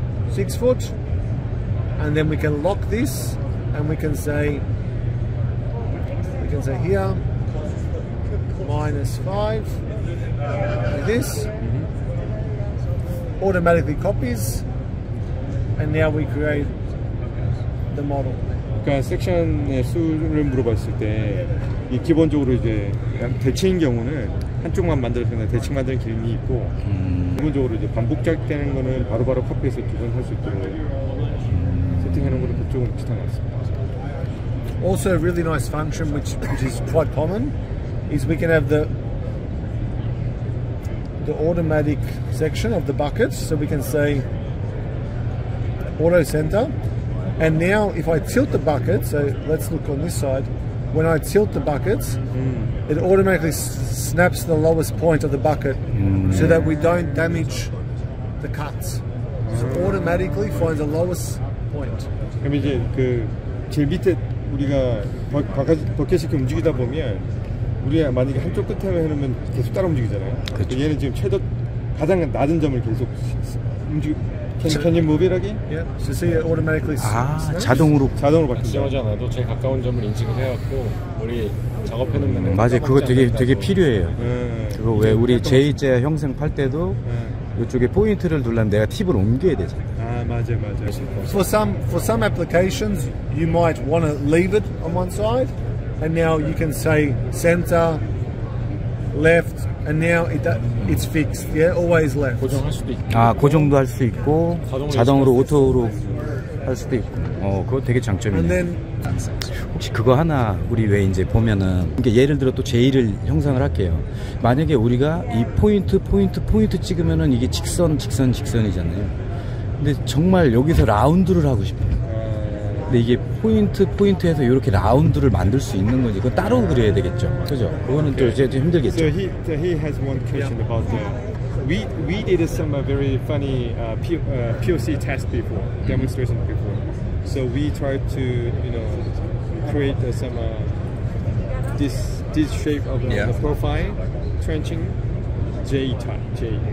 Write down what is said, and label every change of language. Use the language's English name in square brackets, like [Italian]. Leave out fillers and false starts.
[English] 6 foot, and then we can lock this, and we can say here -5, like this automatically copies, and now we create the model. [Korean] 그러니까 섹션의 수를 물어봤을 때 이 기본적으로 이제 대칭인 경우는 한쪽만 만들어서 대칭 만드는 기능이 있고. 기본적으로 이제 반복작되는 거는 바로 커피에서 두 번 할 수 있도록 세팅하는 거는 그쪽은 비슷한 것 같습니다. [English] Also a really nice function which is quite common is we can have the automatic section of the buckets, so we can say auto center, and now if I tilt the bucket, so let's look on this side, when I tilt the buckets, it automatically snaps the lowest point of the bucket so that we don't damage the cuts. So automatically finds the lowest point. [Korean] 그럼 이제 그 제일 밑에 우리가 버킷 이렇게 움직이다 보면 우리가 만약에 한쪽 끝에만 해놓으면 계속 따라 움직이잖아요. 그렇죠. 얘는 지금 최대 가장 낮은 점을 계속 움직이 [English] Can you move it again? Yeah. So see it automatically. [Korean] 아, 자동으로. 자동으로 바뀌죠. 지정하지 않아도 제일 가까운 점을 인식을 해갖고 우리 작업해놓는 거는. 맞아요. 그거 되게 필요해요. 그거 왜 우리 제2자 형상 팔 때도 이쪽에 포인트를 누르면 내가 팁을 옮겨야 되잖아. 아, 맞아요. [English] For some applications, you might want to leave it on one side, and now you can say center, left. And now it's fixed. Yeah, always left. [Korean] 고정할 수도 있고. 아, 고정도 할 수 있고 자동으로 오토로 할 수도 있고. 그거 되게 장점이네. [English] And then [Korean] 혹시 그거 하나 우리 왜 이제 보면은 이게 예를 들어 또 제2를 형상을 할게요. 만약에 우리가 이 포인트 찍으면은 이게 직선이잖아요. 근데 정말 여기서 라운드를 하고 싶어요. 근데 이게 포인트 포인트에서 이렇게 라운드를 만들 수 있는 건지 그건 따로 그려야 되겠죠. 그죠? 그거는 okay. 또 이제 힘들겠죠. [English] So he has one question yeah. about the we did some very funny POC test before demonstration before. So we tried to, you know, create some this shape of yeah. the profile trenching J type, J.